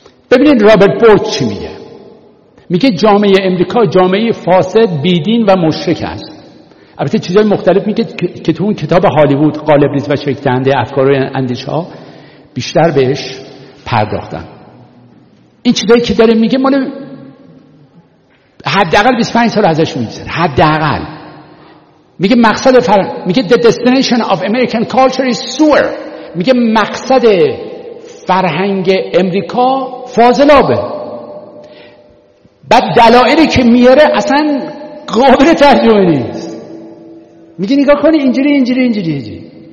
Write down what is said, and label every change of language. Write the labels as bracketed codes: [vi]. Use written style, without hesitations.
[fa] ببینید رابرت بورک چی میگه. میگه جامعه امریکا جامعه فاسد، بیدین و مشرک است. البته چیزهای مختلف میگه که تو اون کتاب هالیوود قالب ریز و شکتنده افکار و اندیشه ها بیشتر بهش پرداختن. این چیزهایی که داره میگه مال حداقل 25 سال ازش میگذره. حداقل میگه مقصد میگه [en] the destination of American culture is sewer. [fa] میگه مقصد فرهنگ امریکا فاضلابه. بعد دلائلی که میاره اصلا قابل ترجمه نیست. میگه نگاه کنی اینجوری اینجوری اینجوری اینجوری.